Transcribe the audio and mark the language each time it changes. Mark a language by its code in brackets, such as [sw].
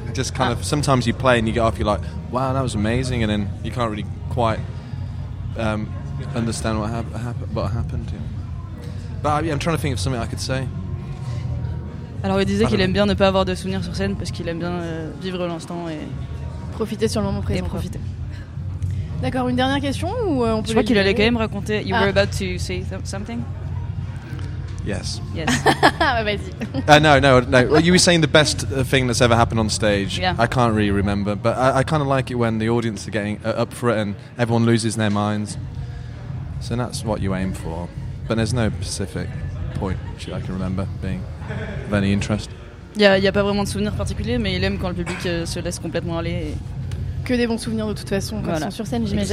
[en] Just kind of sometimes you play and you get off, you're like, wow, that was amazing, and then you can't really quite understand what happened. Yeah. But I'm trying to think of something I could say. [fr] Alors il disait qu'il aime bien ne pas avoir de souvenirs sur scène parce qu'il aime bien vivre l'instant et profiter sur le moment présent. Et profiter. D'accord, une dernière question ou on peut. Je crois qu'il allait quand même raconter. [en] You were about to say something. Yes. Yes. No. You were saying the best thing that's ever happened on stage. Yeah. I can't really remember, but I kind of like it when the audience are getting up for it and everyone loses their minds. So that's what you aim for. But there's no specific point which I can remember being of any interest. [fr] Yeah, il y a pas vraiment de souvenir particulier, mais il aime quand le public se laisse complètement aller. Et que des bons souvenirs de toute façon quand ils sont sur scène, j'imagine.